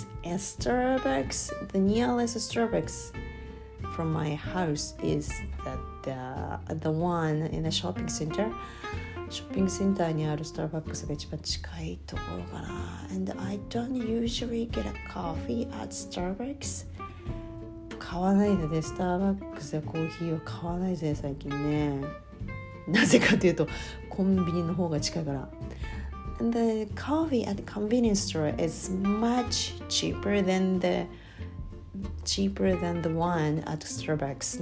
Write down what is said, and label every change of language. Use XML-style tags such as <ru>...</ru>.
<en>Starbucks the nearest Starbucks from my house is the one in a shopping center。</en> <ja>ショッピングセンターにあるスターバックスが一番近いところかな。</ja> <en>And I don't usually get a coffee at Starbucks。</en> <ja>買わないので、スターバックスやコーヒーは買わないぜ最近ね。なぜかというとコンビニの方が近いから。</ja> <en>And the coffee at the convenience store is much cheaper than the one at Starbucks。</en>